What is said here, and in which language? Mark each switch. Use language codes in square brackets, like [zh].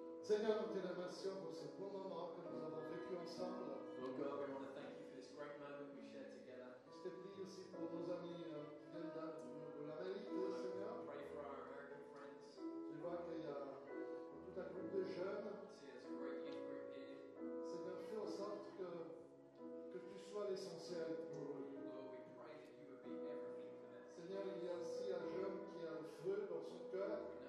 [fr] Seigneur, nous te remercions pour ce bon moment que nous avons vécu ensemble. [en] Lord God, we want to thank you for this great moment we shared together. [fr] Je te prie aussi pour nos amis de la vérité, Seigneur. [en] Pray for our American friends. [fr] Je vois qu'il y a tout un groupe de jeunes. [en] See, it's a great youth group here. [fr] Seigneur, fais en sorte que tu sois l'essentiel pour eux. [en] Lord, we pray that you would be everything for them. [fr] Seigneur, il y a aussi un jeune qui a le feu dans son cœur.